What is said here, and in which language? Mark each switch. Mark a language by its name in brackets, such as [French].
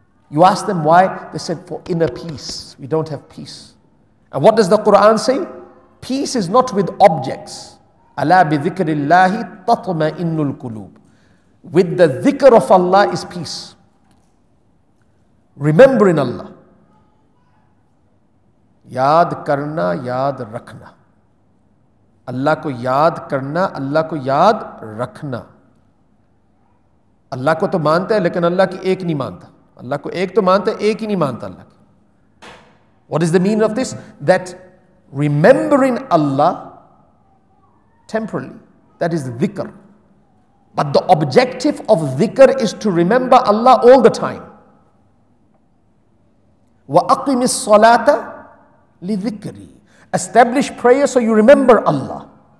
[English] You ask them why, they said, for inner peace. We don't have peace. And what does the Quran say? Peace is not with objects. [Arabic] Allah bi dhikrillahi tatma'innul qulub. [English] with the dhikr of Allah is peace. Remembering Allah. [Urdu] یاد کرنا، یاد رکھنا. اللہ کو یاد کرنا، اللہ کو یاد رکھنا. اللہ کو تو مانتا ہے، لیکن اللہ کی ایک نہیں مانتا. اللہ کو ایک تو مانتا ہے، ایک ہی نہیں مانتا اللہ. [English] What is the meaning of this? That remembering Allah temporally, that is dhikr. But the objective of dhikr is to remember Allah all the time. [Arabic] Wa aqimis salata li dhikri. [English] Establish prayer so you remember Allah.